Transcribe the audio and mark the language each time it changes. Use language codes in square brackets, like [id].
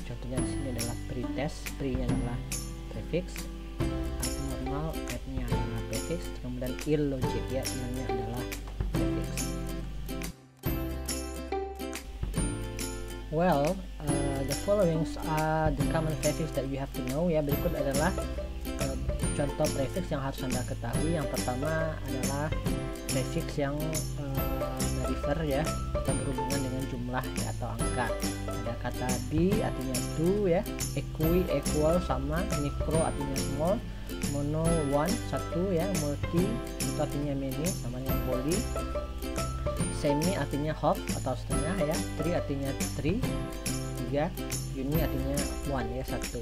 [id] Contohnya di sini adalah pretest, pre adalah prefix, abnormal, ad-nya adalah prefix, kemudian illogic ya, ilnya adalah prefix. [en] Well, the followings are the common prefix that you have to know ya. [id] Berikut adalah contoh prefix yang harus Anda ketahui. Yang pertama adalah prefix yang refer ya, atau berhubungan dengan jumlah ya, atau angka. Ada kata be artinya do ya, equi equal sama, micro artinya small, mono one satu ya, multi itu artinya many sama dengan poly, semi artinya half atau setengah ya, tri artinya three, tiga, uni artinya one ya, satu.